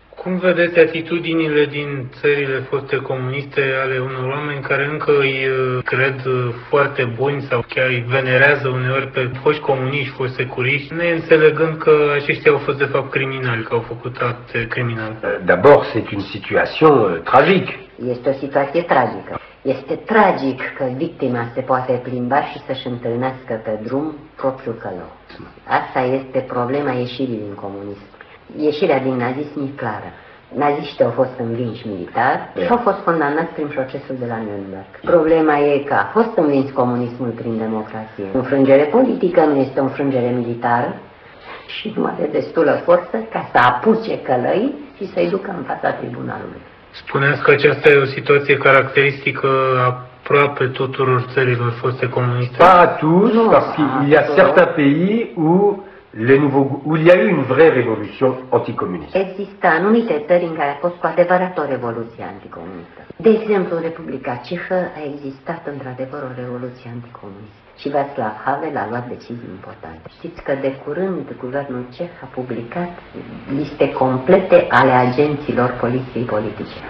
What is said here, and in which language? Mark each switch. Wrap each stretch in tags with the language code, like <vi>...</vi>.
<ro>Cum vedeți atitudinile din țările foste comuniste ale unor oameni care încă îi cred foarte buni sau chiar îi venerează uneori pe foști comuniști, foști securiști, neînțelegând că aceștia au fost de fapt criminali, că au făcut acte criminale?</ro> <fr>D'abord, c'est une situation tragique.</fr> <ro>Este o situație tragică. Este tragic că victima se poate plimba și să-și întâlnească pe drum propriul călău. Asta este problema ieșirii din comunism. Ieșirea din nazism e clară. Naziștii au fost învinși militar și au fost condamnați prin procesul de la Nürnberg. Problema e că a fost învins comunismul prin democrație. Înfrângere politică nu este o înfrângere militară și nu are destulă forță ca să apuce călăi și să-i ducă în fața tribunalului. Spuneați că aceasta e o situație caracteristică aproape tuturor țărilor foste comuniste.</ro> <fr>Pas à tous, parce qu'il y a certains pays où... Le nouveau, où il y a eu une vraie révolution anticommuniste.</fr> <ro>Există anumite țări în care a fost cu adevărat o revoluție anticomunistă. De exemplu, Republica Cehă a existat într-adevăr o revoluție anticomunistă. și Václav Havel a luat decizii importante. Știți că de curând guvernul ceh a publicat liste complete ale agenților poliției politice.</ro>